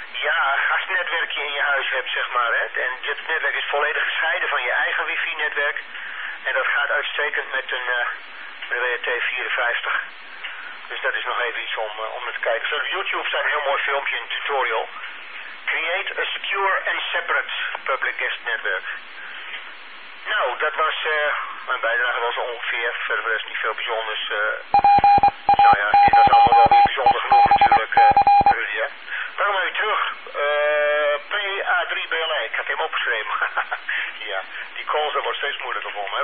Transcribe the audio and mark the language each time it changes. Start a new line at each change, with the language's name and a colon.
Dutch: Ja, als netwerkje in je huis hebt, zeg maar. Hè. En dit netwerk is volledig gescheiden van je eigen wifi-netwerk. En dat gaat uitstekend met een WRT54. Dus dat is nog even iets om te kijken. Zo, op YouTube staat een heel mooi filmpje, een tutorial.
English: Create a secure and separate public guest network.
Dutch: Nou, dat was mijn bijdrage was ongeveer. Verder is niet veel bijzonders. Nou ja, dit was allemaal wel niet bijzonder genoeg natuurlijk, Rudy, hè. Waarom ben je terug? PA3BLA, ik had hem opgeschreven. Ja, die calls worden steeds moeilijker voor me.